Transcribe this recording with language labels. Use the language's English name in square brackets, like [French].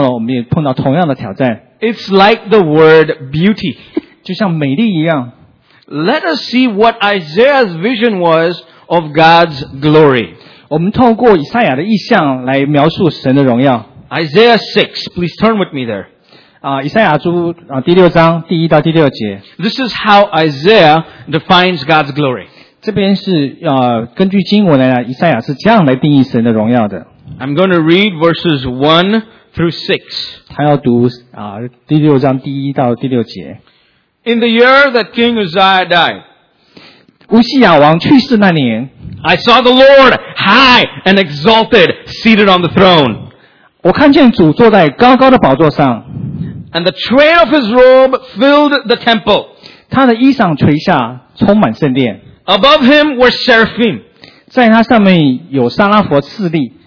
[Chinese] 所以呢，我们在定义神的荣耀的时候呢，我们也碰到同样的挑战。 [English] It's like the word beauty. [Chinese] 就像美丽一样。 [English] Let us see what Isaiah's vision was of God's glory. [Chinese] 我们透过以赛亚的意象来描述神的荣耀。Isaiah [English] 6, please turn with me there. [Chinese] 以赛亚书第六章第一到第六节。 [English] This is how Isaiah defines God's glory. [Chinese] 这边是根据经文来，以赛亚是这样来定义神的荣耀的。 [English] I'm going to read verses 1 through 6. [Chinese] 他要读第六章第一到第六节。 [English] In the year that King Uzziah died, [Chinese] 乌西亚王去世那年, [English] I saw the Lord high and exalted seated on the throne. [Chinese] 我看见主坐在高高的宝座上, [English] and the train of his robe filled the temple. [Chinese] 他的衣裳垂下, [English] above him were seraphim. [Chinese] 在它上面有沙拉佛侍立。